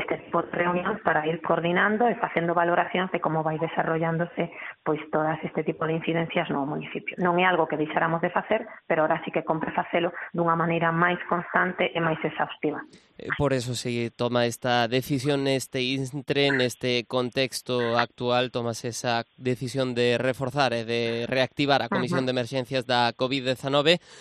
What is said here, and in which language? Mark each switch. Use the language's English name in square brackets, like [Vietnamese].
[Spanish] por reunión para ir coordinando y haciendo valoraciones de cómo vais desarrollándose pues todas este tipo de incidencias no municipio. [Galician] Non é algo que deixáramos de facer, pero ahora sí que compre facelo dunha maneira máis constante e máis exhaustiva. [Spanish] Por eso se toma esta decisión, este intre, en este contexto actual, tomas esa decisión de reforzar [Galician] e de reactivar a Comisión de Emerxencias da COVID-19.